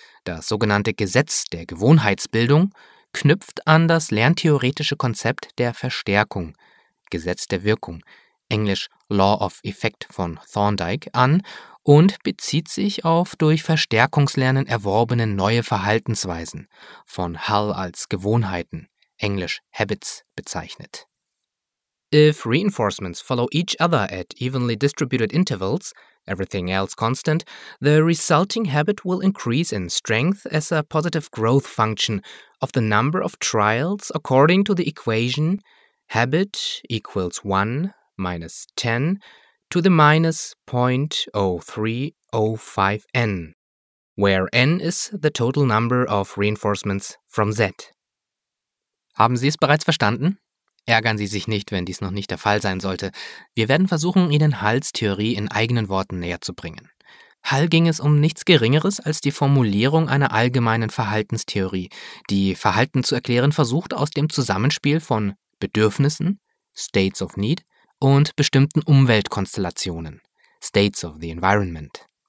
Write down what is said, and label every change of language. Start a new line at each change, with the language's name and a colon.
German: Das sogenannte Gesetz der Gewohnheitsbildung knüpft an das lerntheoretische Konzept der Verstärkung, Gesetz der Wirkung, Englisch
English: Law of Effect
German: von Thorndike, an und bezieht sich auf durch Verstärkungslernen erworbene neue Verhaltensweisen, von Hull als Gewohnheiten, Englisch Habits, bezeichnet.
English: If reinforcements follow each other at evenly distributed intervals, everything else constant, the resulting habit will increase in strength as a positive growth function of the number of trials according to the equation habit equals 1 minus 10 to the minus 0.0305n, where n is the total number of reinforcements from Z.
German: Haben Sie es bereits verstanden? Ärgern Sie sich nicht, wenn dies noch nicht der Fall sein sollte. Wir werden versuchen, Ihnen Hulls Theorie in eigenen Worten näher zu bringen. Hull ging es um nichts Geringeres als die Formulierung einer allgemeinen Verhaltenstheorie, die Verhalten zu erklären versucht aus dem Zusammenspiel von Bedürfnissen,
English: States of Need,
German: und bestimmten Umweltkonstellationen,
English: States of the Environment.